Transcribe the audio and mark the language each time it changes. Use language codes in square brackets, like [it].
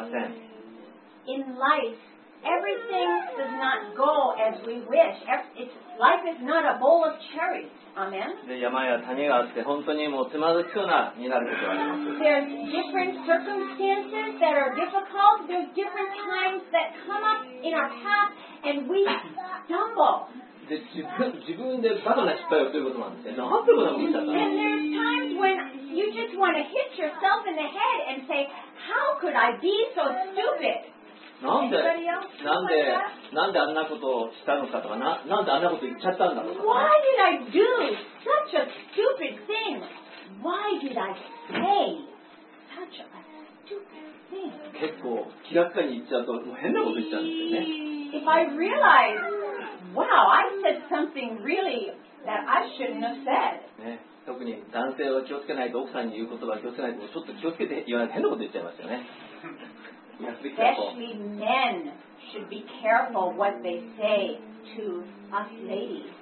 [en] In life, everything does not go as we wish. Life is not a bowl of cherries. Amen. There's different circumstances that are difficult. There's different times that come up in our path and we stumble. [ja] で自分でバカな失敗をすることなんですね。なんてことなんですか。 [en] And there's times when you just want to hit yourself in the head and say, how could I be so stupid? [ja] なんであんなことをしたのかとか、なんであんなこと言っちゃったんだろうとか。 [en] Why did I do such a stupid thing? Why did I say such a stupid thing? [ja] 結構気楽に言っちゃうと、もう変なこと言っちゃうんですよね。 [en] If I realize,Wow, I said something really that I shouldn't have said. [ja] 特に男性は気をつけないと、奥さんに言う言葉は気をつけないと、ちょっと気をつけて言わない、変なこと言っちゃいましたよね。 [en] Especially men should be careful what they say to us ladies.